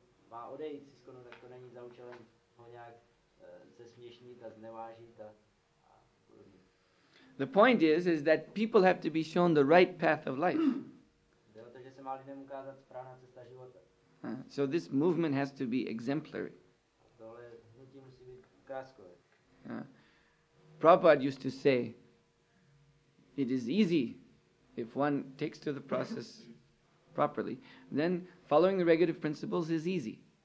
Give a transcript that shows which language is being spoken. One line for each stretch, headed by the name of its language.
Czech: Má odejít si skonu, tak to není za účelem ho nějak zesměšnit a znevážit a podobně.
English: The point is that people have to be shown the right path of life.
Czech: Jde o to, že se má lidem ukázat správná cesta života.
English: So this movement has to be exemplary.
Czech: Tohle hnutí musí být ukázkové.
English: Prabhupada used to say, it is easy if one takes to the process properly, then following the regulative principles is easy.